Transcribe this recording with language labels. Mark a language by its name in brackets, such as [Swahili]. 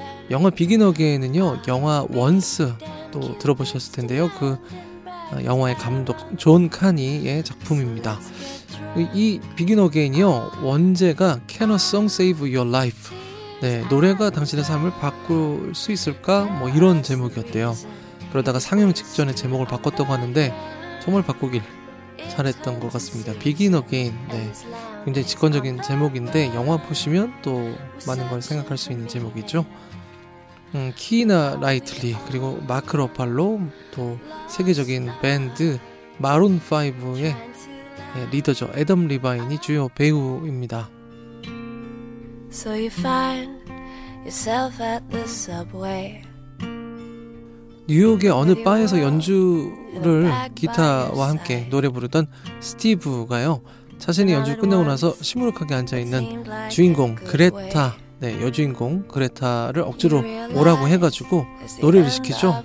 [Korean] 영화 비긴 어게인은요, 영화 원스 또 들어보셨을 텐데요, 그 영화의 감독 존 카니의 작품입니다. 이 비긴 어게인이요, 원제가 [English] Can a song save your life? [Korean] 네, 노래가 당신의 삶을 바꿀 수 있을까? 뭐 이런 제목이었대요. 그러다가 상영 직전에 제목을 바꿨다고 하는데 정말 바꾸길 잘했던 것 같습니다. 비긴 어게인. 네, 굉장히 직관적인 제목인데 영화 보시면 또 많은 걸 생각할 수 있는 제목이죠. 키나 라이틀리 그리고 마크 러팔로, 또 세계적인 밴드 마룬5의 리더죠, 애덤 리바인이 주요 배우입니다. [English] So you find yourself at the subway. [Korean] 뉴욕의 어느 바에서 연주를 기타와 함께 노래 부르던 스티브가요, 자신의 연주 끝나고 나서 시무룩하게 앉아있는 주인공 그레타, 네, 여주인공 그레타를 억지로 오라고 해가지고 노래를 시키죠.